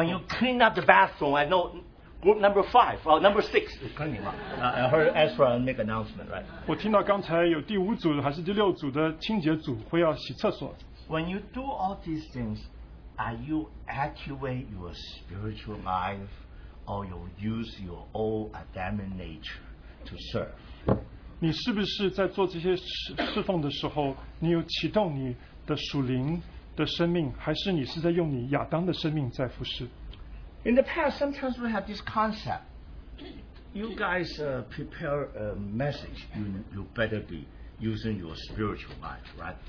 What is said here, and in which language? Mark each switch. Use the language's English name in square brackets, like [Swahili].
[English] when you clean up the bathroom, I know group number five or number six is cleaning up. I heard Ezra make announcement, right? [Chinese] 我听到刚才有第五组还是第六组的清洁组会要洗厕所。 [English] When you do all these things, are you activate your spiritual life? Or you use your old Adamic nature to serve. [Chinese] 你是不是在做这些侍奉的时候，你有启动你的属灵的生命，还是你是在用你亚当的生命在服侍？ [English] In the past, sometimes we have this concept. You guys prepare a message. You better be using your spiritual mind, right?